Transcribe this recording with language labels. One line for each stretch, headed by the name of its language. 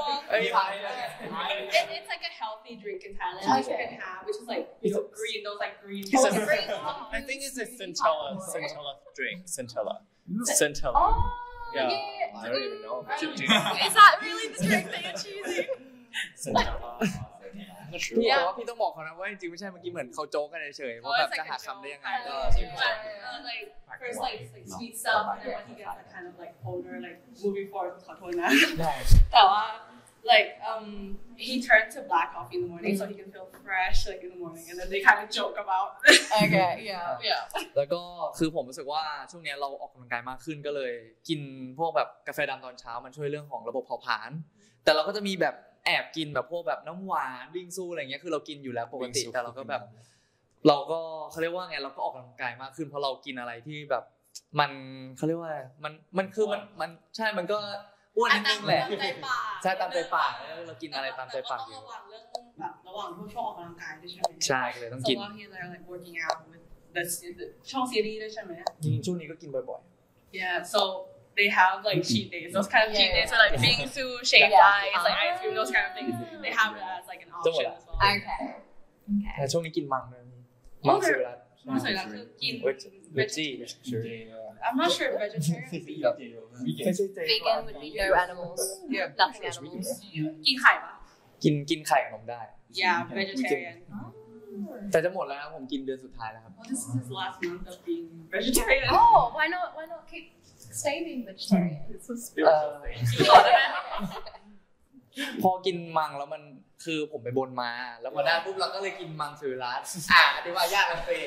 English: It's like a healthy drink in Thailand that you can have, which is like green. I think it's a centella drink. Centella. Centella. Oh, yeah. I don't even know. Is that really the drink that you're choosing? Centella.
Thai: พี่ว่าพี่ต้องบอกเขานะว่าจริงๆไม่ใช่มันกินเหมือนเขาโจ๊กกันเฉยๆว่าแบบจะหาคำได้ยังไงก็
English: like first like sweet stuff and then when he gets the kind of like older like moving forward
Thai: ขอโทษนะแต่ว่า
English: like he turned to black coffee in the morning so he can feel fresh like in the morning and then they kind of joke about okay yeah
Thai: แล้วก็คือผมรู้สึกว่าช่วงนี้เราออกกำลังกายมากขึ้นก็เลยกินพวกแบบกาแฟดำตอนเช้ามันช่วยเรื่องของระบบเผาผลาญแต่เราก็จะมีแบบแอบกินแบบพวกแบบน้ำหวานวิ่งสู้อะไรเงี้ยคือเรากินอยู่แล้วปกติแต่เราก็แบบเราก็เขาเรียกว่าไงเราก็ออกกำลังกายมากขึ้นเพราะเรากินอะไรที่แบบมันเขาเรียกว่ามันคือมันใช่มันก็อ้วนนิดนึงแหละใช่ตามใจปากเรากินอะไรตามใจปาก อยู่ระหว่างเรื่องแบบระหว่างช่วงออกกำลังกายใช่ ไหม ใช่เลยต้องกิน ช่วงที่เรา
English: like working out with the
Thai: ช่องซีรีส์ด้วยใช่ไหม ช่วงนี้ก็กินบ่อยๆ
English: yeah so they have like cheat days, those kind of cheat days, so like bingsu, shaved ice, like ice cream, those kind of things. They have it as like an option as well. Okay.
Thai: Okay. ช่วงนี้กินมังนะมี มังสุรัตน์มังสุรัตน์คือกิน เวจิ
English: I'm not sure vegetarian vegan would be no animals yeah nothing animals
Thai: กินไข่ปะ กินกินไข่ของผมได้
English: yeah vegetarian
Thai: แต่จะหมดแล้วนะผมกินเดือนสุดท้ายแล้วครับ
English: well, this is his last month of being vegetarian oh why not keep stay being vegetarian it's a spiritual thing
Thai: พอกินมังแล้วมันคือผมไปบนมาแล้วพอได้ปุ๊บเราก็เลยกินมังสุรัตน์อธิบายยากนะเฟ